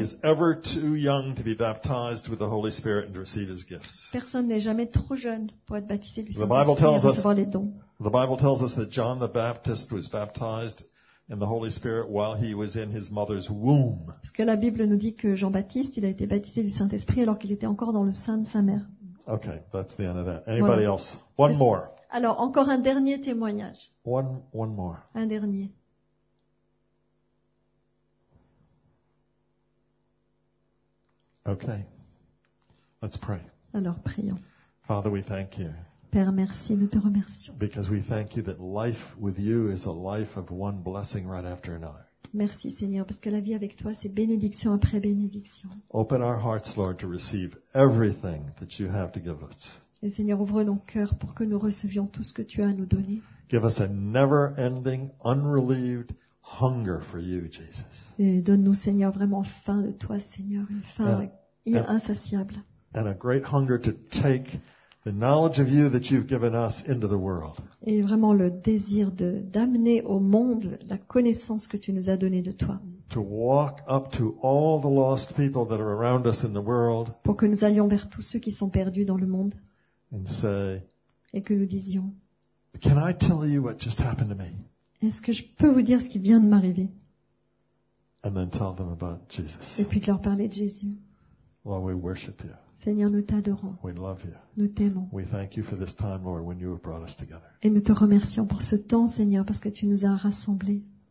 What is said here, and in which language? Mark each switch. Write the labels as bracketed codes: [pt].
[en] is ever too young to be baptized with the Holy Spirit and to receive His gifts. [fr] Personne n'est jamais trop jeune pour être baptisé du Saint-Esprit et recevoir les dons. [en] The Bible tells us that John the Baptist was baptized in the Holy Spirit while he was in his mother's womb. [fr] Parce que la Bible nous dit que Jean-Baptiste, il a été baptisé du Saint-Esprit alors qu'il était encore dans le sein de sa mère. [en] Okay, that's the end of that. Anybody voilà. Else? One more. [fr] Alors, encore un dernier témoignage. [en] One more. [fr] Un dernier. [en] Okay. Let's pray. [fr] Alors, prions. [en] Father, we thank you. [fr] Père, merci, nous te remercions. [en] Because we thank you that life with you is a life of one blessing right after another. [fr] Merci, Seigneur, parce que la vie avec toi, c'est bénédiction après bénédiction. [en] Open our hearts, Lord, to receive everything that you have to give us. [fr] Et Seigneur, ouvre nos cœurs pour que nous recevions tout ce que tu as à nous donner. [en] Give us a never-ending, unrelieved hunger for you, Jesus. [fr] Et donne-nous, Seigneur, vraiment faim de toi, Seigneur, une faim insatiable. [en] And a great hunger to take the knowledge of you that you've given us into the world. [fr] Et vraiment le désir d'amener au monde la connaissance que tu nous as donnée de toi. [en] To walk up to all the lost people that are around us in the world. [fr] Pour que nous allions vers tous ceux qui sont perdus dans le monde. [en] And say, [fr] et que nous disions, [en] can I tell you what just happened to me? [fr] Est-ce que je peux vous dire ce qui vient de m'arriver? [en] And then tell them about Jesus. [fr] Et puis de leur parler de Jésus. [en] While we worship you. [fr] Seigneur, nous t'adorons. [en] We love you. [fr] Nous t'aimons. [en] We thank you for this time, Lord, when you have brought us together. [fr] Et nous te remercions pour ce temps, Seigneur, parce que tu nous as rassemblés.